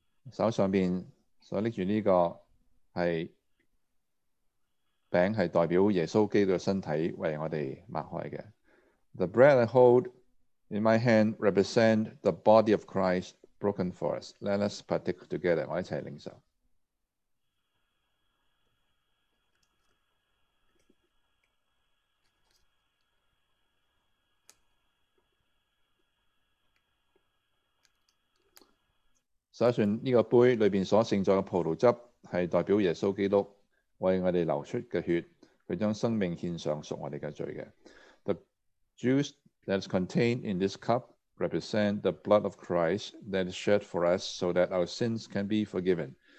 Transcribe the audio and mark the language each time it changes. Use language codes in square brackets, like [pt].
[yue] 手上面所拎住这个是饼，是代表耶稣基督的身体为我们擘开的。 [en] The bread I hold in my hand represents the body of Christ broken for us. Let us partake together. [yue] 我一起领受。所以算这个杯里面所盛载的葡萄汁是代表耶稣基督为我们流出的血，他将生命献上赎我们的罪的。 [en] The juice that is contained in this cup represents the blood of Christ that is shed for us so that our sins can be forgiven.